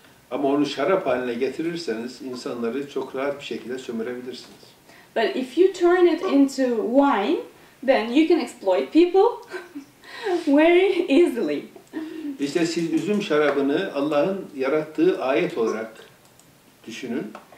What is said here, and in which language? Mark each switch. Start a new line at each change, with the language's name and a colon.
Turkish: Ama onu şarap haline getirirseniz insanları çok rahat bir şekilde sömürebilirsiniz.
English: But if you turn it into wine, then you can exploit people very easily.
Turkish: İşte siz üzüm şarabını Allah'ın yarattığı ayet olarak düşünün.